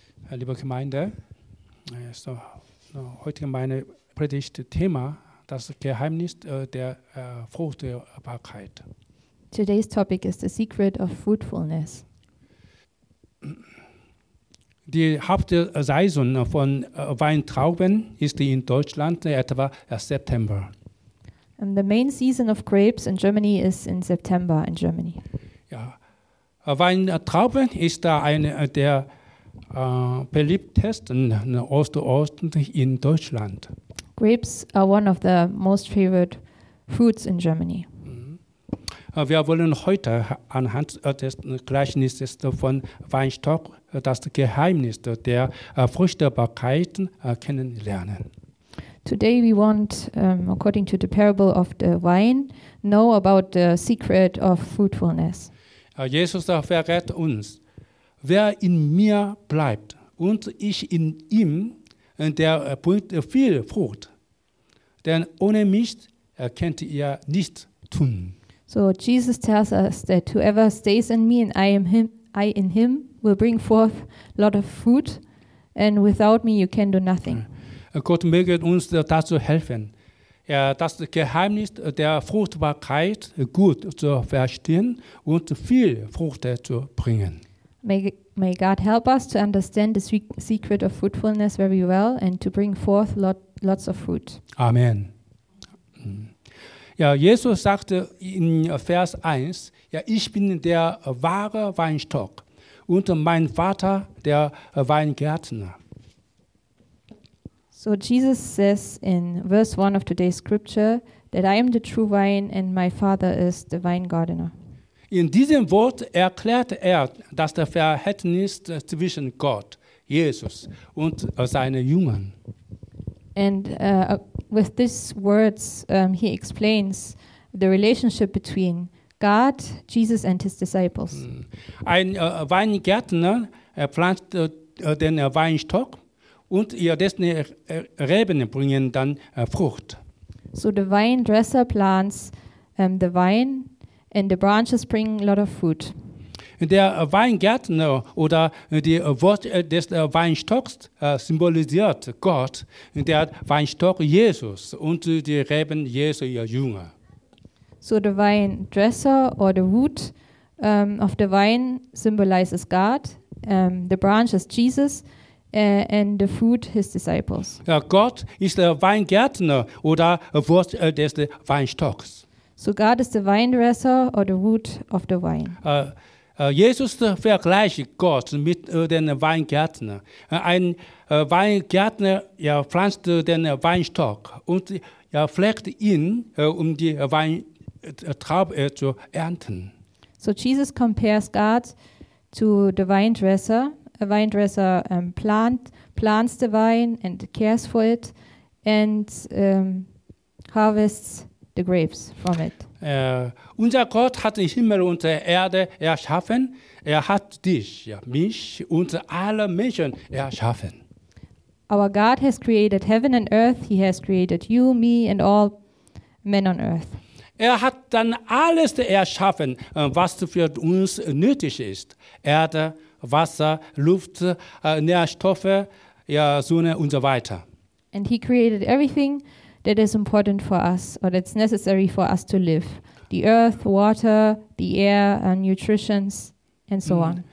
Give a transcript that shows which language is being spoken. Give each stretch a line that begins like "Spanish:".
German: Liebe Gemeinde, so, heutige meine Predigt Thema, das Geheimnis der Fruchtbarkeit.
English: Today's topic is the secret of fruitfulness.
German: Die Hauptsaison von Weintrauben ist in Deutschland etwa September.
English: And the main season of grapes in Germany is in September in Germany.
German: Ja. Weintrauben ist da eine der beliebtesten Osterosten in Deutschland.
English: Grapes are one of the most favorite fruits in Germany.
German: Wir wollen heute anhand des Gleichnisses von Weinstock das Geheimnis der Fruchtbarkeit kennenlernen.
English: Today we want, according to the parable of the wine, know about the secret of fruitfulness.
German: Jesus verrät uns, wer in mir bleibt und ich in ihm, der bringt viel Frucht, denn ohne mich könnt ihr nichts tun.
English: So Jesus tells us that whoever stays in me and I in him will bring forth a lot of fruit, and without me you can do nothing.
German: Gott möge uns dazu helfen, das Geheimnis der Fruchtbarkeit gut zu verstehen und viel Frucht zu bringen.
English: May God help us to understand the secret of fruitfulness very well and to bring forth lots of fruit.
German: Amen. Ja, Jesus sagte in Vers 1, ja, ich bin der wahre Weinstock und mein Vater der Weingärtner.
English: So Jesus says in verse 1 of today's scripture that I am the true vine and my Father is the vine gardener.
German: In diesem Wort erklärt dass das Verhältnis zwischen Gott, Jesus und seinen Jüngern.
English: And with these words, he explains the relationship between God, Jesus and his disciples.
German: Ein Weingärtner pflanzt den Weinstock und ihr dessen Reben bringen dann Frucht.
English: So the vine dresser plants the vine and the branches bring a lot of fruit.
German: Der Weingärtner oder die Wort des Weinstocks symbolisiert Gott, der Weinstock Jesus und die Reben Jesu, ihr Jünger.
English: So the vine dresser or the root of the vine symbolizes God, the branches Jesus and the fruit his disciples.
German: Ja, Gott ist der Weingärtner oder Wort des Weinstocks.
English: So God is the vine dresser or the root of the vine.
German: Jesus vergleicht Gott mit dem Weingärtner. Ein Weingärtner pflanzt den Weinstock und pflegt ihn, um die Weintrauben zu ernten.
English: So Jesus compares God to the vine dresser. A vine dresser plants the vine and cares for it and harvests the grapes from it.
German: Unser Gott hat den Himmel und die Erde erschaffen. Hat dich, mich und alle Menschen erschaffen.
English: Our God has created heaven and earth. He has created you, me and all men on earth.
German: Hat dann alles erschaffen, was für uns nötig ist. Erde, Wasser, Luft, Nährstoffe, Sonne und so weiter.
English: And he created everything that is important for us or that's necessary for us to live. The earth, water, the air, nutritions and so on.